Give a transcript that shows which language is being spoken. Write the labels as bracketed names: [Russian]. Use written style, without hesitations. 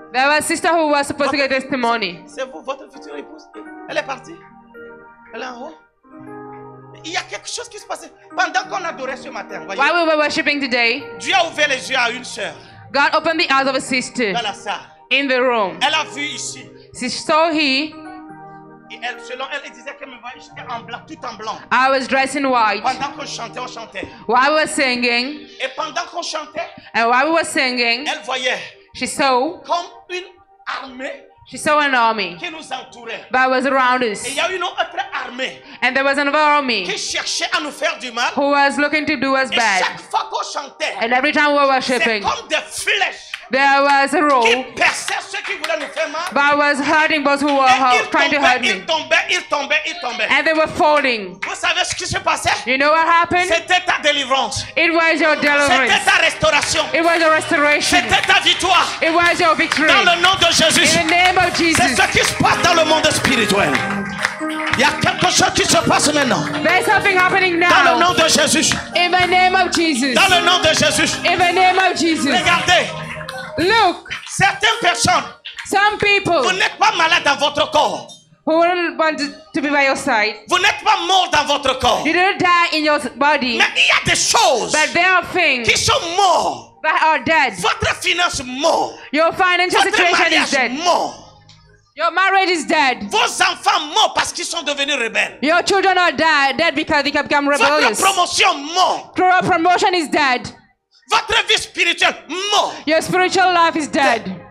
[English] There was a sister who was supposed to get a testimony. [French] C'est vous, votre future épouse? Elle est partie. Elle est en haut. Il y a quelque chose qui se passait pendant qu'on adorait ce matin. Voyez. [English] While we were worshiping today, [French] Dieu a ouvert les yeux à une sœur. [English] God opened the eyes of a sister. [French] Dans la salle. [English] In the room. [French] Elle a vu ici. [English] She saw here. [French] Et elle, selon elle, elle disait qu'elle me voyait, j'étais en blanc, tout en blanc. [English] I was dressed in white. [French] Pendant qu'on chantait, on chantait. [English] While we were singing. [French] Et pendant qu'on chantait. [English] And while we were singing. [French] Elle voyait. [English] She saw. [French] Comme une armée. [English] She saw an army. [French] Qui nous entourait. [English] But it was around us. [French] Et il y a une autre armée. [English] And there was another army. [French] Qui cherchait à nous faire du mal. [English] Who was looking to do us [French] et [English] bad. [French] Et chaque fois qu'on chantait. [English] And every time we were worshiping. [French] C'est comme des flèches. [English] There was a rope. [French] Qui perçait ceux qui voulaient nous faire mal. [English] But I was hurting those who were trying to hurt me. [French] Il tombait. [English] And they were falling. [French] Vous savez ce qui se passait? [English] You know what happened? [French] C'était ta délivrance. [English] It was your deliverance. [French] C'était ta restauration. [English] It was a restoration. [French] C'était ta victoire. [English] It was your victory. [French] Dans le nom de Jésus. [English] In the name of Jesus. [French] C'est ce qui se passe dans le monde spirituel. Il y a quelque chose qui se passe maintenant. [English] There's something happening now. [French] Dans le nom de Jésus. [English] In the name of Jesus. [French] Dans le nom de Jésus. [English] In the name of Jesus. [French] Regardez. [English] Look, [French] certaines personnes, [English] some people, [French] vous n'êtes pas malade dans votre corps. [English] Who wouldn't want to be by your side? [French] Vous n'êtes pas mort dans votre corps. [English] You didn't die in your body. [French] Mais il y a des choses, [English] but there are things, [French] qui sont morts. [English] That are dead. [French] Votre finance mort. [English] Your financial [French] votre [English] situation is dead. [French] Mort. [English] Your marriage is dead. [French] Vos enfants morts parce qu'ils sont devenus rebelles. [English] Your children are dead because they have become rebellious. [French] Votre promotion mort. [English] Your promotion is dead. [French] Votre vie spirituelle morte. [English] Your spiritual life is dead.